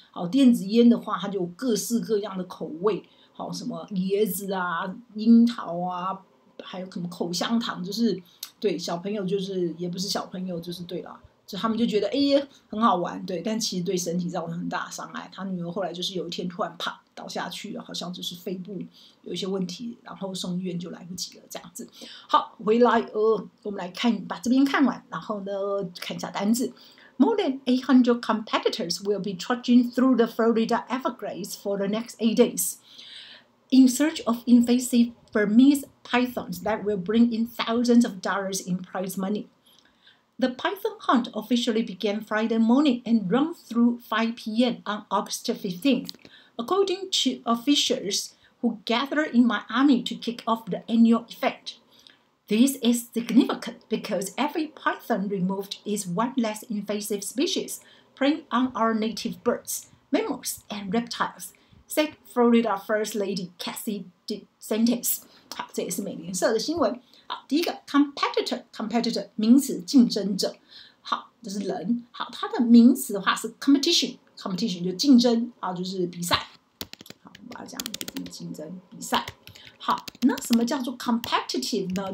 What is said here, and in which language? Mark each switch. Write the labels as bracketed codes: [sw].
[zh] 好，电子烟的话，它就有各式各样的口味，好，什么椰子啊、樱桃啊，还有什么口香糖，就是对小朋友，就是也不是小朋友，就是对啦，就他们就觉得哎呀很好玩，对，但其实对身体造成很大的伤害。他女儿后来就是有一天突然啪倒下去，好像就是肺部有一些问题，然后送医院就来不及了这样子。好，回来我们来看，把这边看完，然后呢看一下单字。 [en] More than 800 competitors will be trudging through the Florida Everglades for the next 8 days in search of invasive Burmese pythons that will bring in thousands of dollars in prize money. The python hunt officially began Friday morning and ran through 5 p.m. on August 15th, according to officials who gathered in Miami to kick off the annual event. This is significant because every python removed is one less invasive species preying on our native birds, mammals, and reptiles, said Florida First Lady Kathy DeSantis. [zh] 好，这也是美联社的新闻。好，第一个 competitor 名词，竞争者。好，这是人。好，它的名词的话是 competition 就竞争啊，就是比赛。好，我把它讲就是竞争比赛。好，那什么叫做 competitive 呢？